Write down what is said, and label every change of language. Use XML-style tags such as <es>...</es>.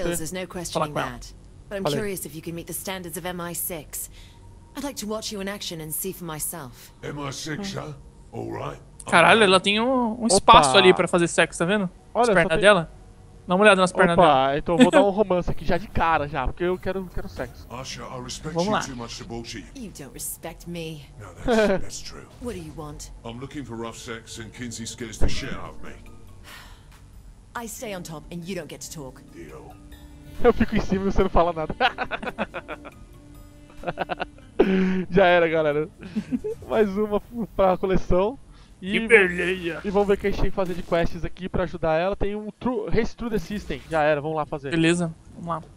<en>Skills, there's no questioning that. But I'm curious if you can meet the standards of MI6. I'd like to watch you in action and see for myself. MI6, huh? All right.</en> <pt>Caralho, ela tem um espaço ali pra fazer sexo, tá vendo? Olha, as pernas dela. Dá uma olhada nas pernas dela. Opa, então eu vou dar um romance aqui já de cara já, porque eu quero sexo.</pt> <en>Asha, I respect you too much to bullshit you. You don't respect me. No, that's true. What do you want? I'm looking for rough sex and Kinsey scares the shit out of me. I stay on top and you don't get to talk. Deal.</en> <pt>Eu fico em cima e você não fala nada. Já era, galera. Mais uma pra coleção. E vamos ver o que a gente tem que fazer de quests aqui pra ajudar ela. Tem um Race Through the System, já era, vamos lá fazer. Beleza, vamos lá.</pt>